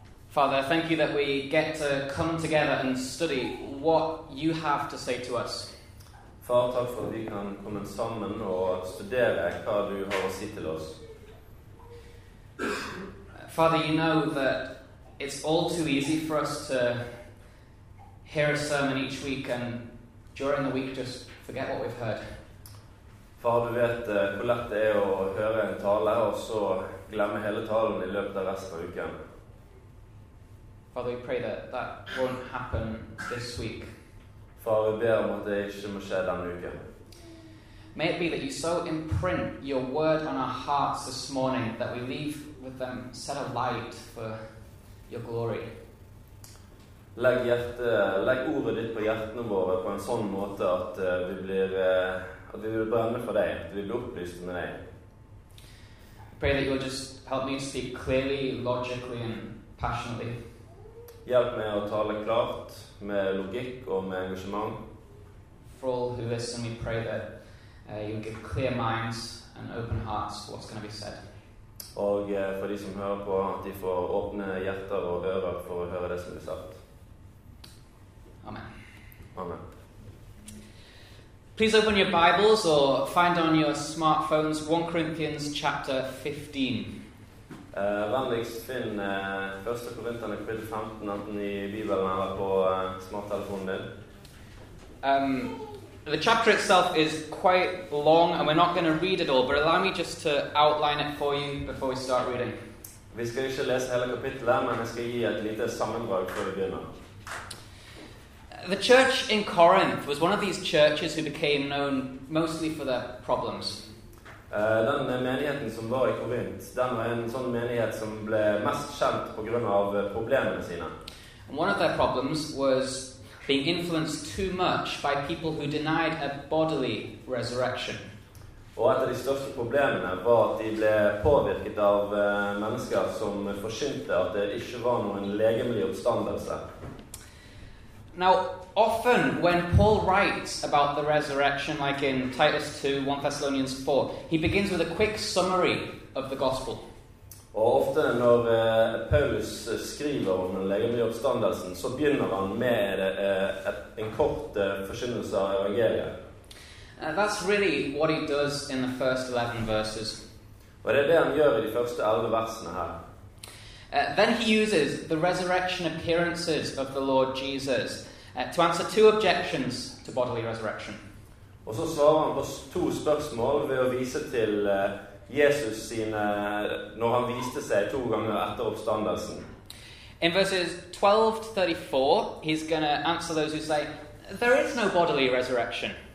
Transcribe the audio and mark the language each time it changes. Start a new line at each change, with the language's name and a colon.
English: Father, thank you that we get to come together and study what you have to say to us.
Norwegian: Far, takk for at vi kan komme sammen og studere hva du har å si til oss.
English: Father, you know that it's all too easy for us to hear a sermon each week and during the week just forget what we've heard.
Norwegian: Far, du vet hvor lett det er å høre en tale og så glemme hele talen i løpet av resten av uken.
English: Father, we pray that that won't happen this week.
Norwegian: Far, vi ber om at det ikke må skje denne uken.
English: May it be that you so imprint your word on our hearts this morning that we leave with them set alight for your glory.
Norwegian: Legg ordet ditt på hjertene våre på en sånn måte at vi blir at vi vil brenne for deg, at vi blir opplyst med deg.
English: Pray that you will just help me speak clearly, logically and passionately.
Norwegian: Hjelp meg å tale klart, med logikk og med engasjement.
English: For all who listen, we pray that you'll give clear minds and open hearts for what's going to be said.
Norwegian: Og for de som hører på, at de får åpne hjerter og ører for å høre det som blir sagt.
English: Amen.
Norwegian: Amen.
English: Please open your Bibles or find on your smartphones 1 Corinthians chapter 15.
Norwegian: Vennligst finn 1. Korinterne kapittel 15 enten I Bibelen eller på smarttelefonen din.
English: The chapter itself is quite long and we're not going to read it all, but allow me just to outline it for you before we start reading.
Norwegian: Vi skal ikke lese hele kapittelet, men jeg skal gi et lite sammendrag før vi begynner.
English: The church in Corinth was one of these churches who became known mostly for their problems.
Norwegian: Den menigheten som var I Korinth, den var en sånn menighet som ble mest kjent på grunn av problemene sine.
English: And one of their problems was being influenced too much by people who denied a bodily resurrection.
Norwegian: Og et av de største problemene var at de ble påvirket av mennesker som forsynte at det ikke var noen legemlig oppstandelse.
English: Now, often when Paul writes about the resurrection, like in Titus 2, 1 Thessalonians 4, he begins with a quick summary of the gospel.
Norwegian: Og ofte når Paulus skriver om den legemlige oppstandelsen, så begynner han med en kort forkynnelse av evangeliet.
English: That's really what he does in the first 11 verses.
Norwegian: Og det det han gjør I de første 11 versene her.
English: Then he uses the resurrection appearances of the Lord Jesus to answer two objections to bodily resurrection.
Norwegian: Og så svarer han på to spørsmål ved å vise til Jesus sine, når han viste seg to ganger etter oppstandelsen.
English: In verses 12 to 34, he's going to answer those who say, there is no bodily resurrection.